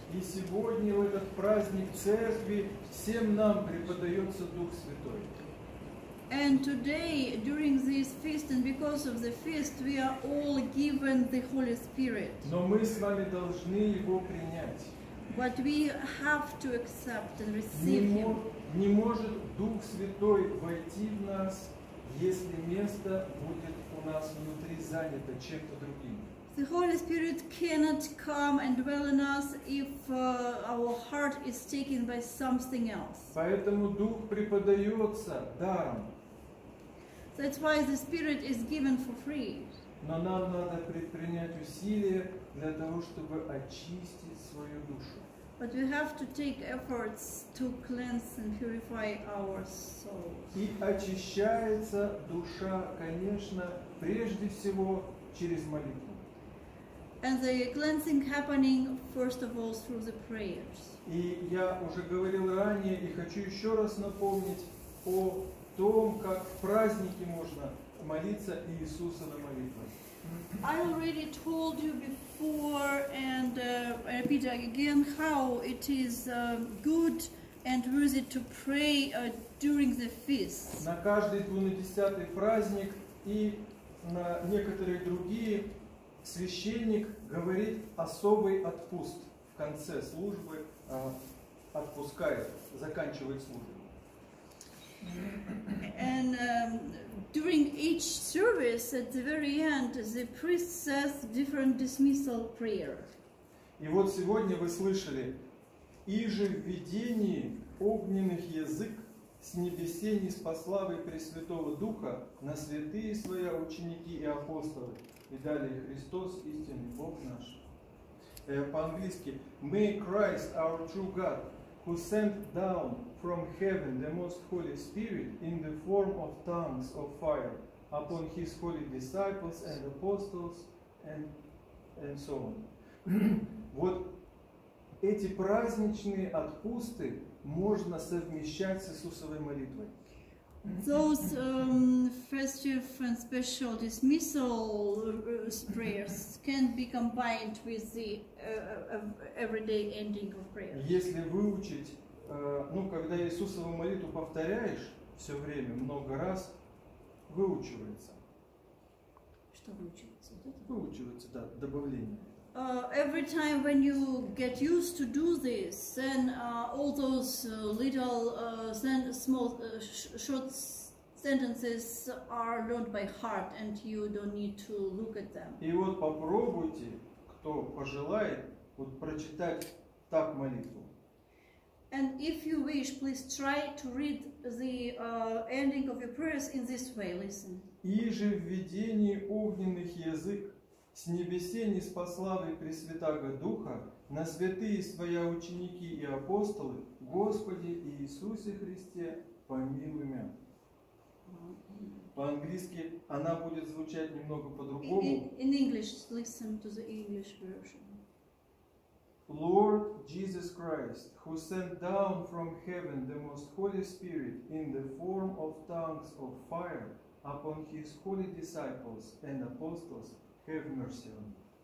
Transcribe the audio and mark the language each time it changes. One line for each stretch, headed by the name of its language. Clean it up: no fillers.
Russian: И сегодня в этот праздник Церкви всем нам преподается Дух Святой.
English: And today, during this feast, and because of the feast, we are all given the Holy Spirit.
Russian: Но мы с вами должны его принять.
English: But we have to accept and receive Him.
Russian: Не может Дух Святой войти в нас, если место будет у нас внутри занято чем-то другим.
English: The Holy Spirit cannot come and dwell in us if our heart is taken by something else.
Russian: Поэтому Дух преподается даром.
English: That's why the Spirit is given for free.
Russian: Но нам надо предпринять усилия для того, чтобы очистить свою душу.
English: But we have to take efforts to cleanse and purify our souls.
Russian: И очищается душа, конечно, прежде всего через молитву.
English: And the cleansing happening first of all through the prayers.
Russian: И я уже говорил ранее и хочу еще раз напомнить о том, как в празднике можно молиться Иисусовой молитвой.
English: I already told you before, and I repeat again how it is good and worthy to pray during the feast.
Russian: На каждый 20-й праздник и на некоторые другие священник говорит особый отпуст в конце службы, отпускает, заканчивает службу.
English: And during each service, at the very end, the priest says different dismissal prayer.
Russian: И вот сегодня вы слышали: иже в видении огненных язык с небесе ниспослав и Пресвятого Духа на святые свои ученики и апостолы. И далее: Христос, истинный Бог наш. По-английски:
English: May Christ, our true God, who sent down from heaven the most holy spirit in the form of tongues of fire upon his holy disciples and apostles and so on.
Russian: Вот эти праздничные отпусты можно совмещать с Иисусовой молитвой.
English: Those festive and special dismissal prayers can be combined with the everyday ending of prayers.
Russian: Если выучить, ну, когда Иисусову молитву повторяешь все время, много раз, выучивается. Что выучивается? Вот это? Выучивается, да, добавление.
English: Every time when you get used to do this, then all those little, small, short sentences are learned by heart, and you don't need to look at them.
Russian: И вот попробуйте, кто пожелает, вот прочитать так молитву.
English: And if you wish, please try to read the ending of your prayers in this way. Listen.
Russian: Иже в видении огненных язык с небесе ниспославы Пресвятаго Духа на святые Своя ученики и апостолы, Господи Иисусе Христе, помилуй мя. По-английски она будет звучать немного по-другому.
English: In English, listen to the English version. Lord Jesus Christ, who sent down from heaven the most holy spirit in the form of tongues of fire upon his holy disciples and apostles, have mercy on me.